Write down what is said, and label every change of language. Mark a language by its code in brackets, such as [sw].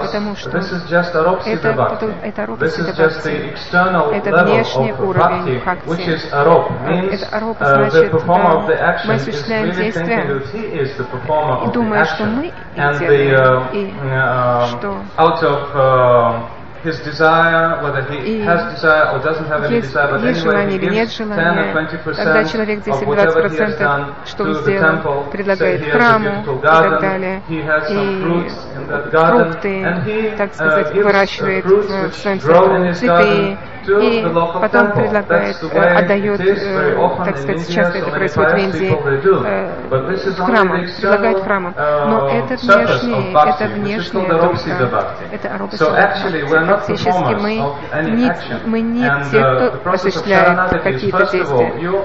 [ru] Потому что это аропсита бхакти. Это внешний уровень бхакти. Это ароп значит, мы осуществляем действие и думаем, что мы и делаем, и что... [en] His desire, whether he has desire or doesn't have any desire, but anyway, he gives 10 or 20% of whatever he has done to the temple, say he has a beautiful garden, he has some fruits in that garden, and he gives the fruits which grow in his garden. [ru] И потом предлагает, отдает, так сказать, часто это происходит в Индии, храмам, предлагает храмам. Но это внешнее, это внешнее духа, это аробхасита бхакти. Фактически мы не те, кто осуществляет какие-то действия.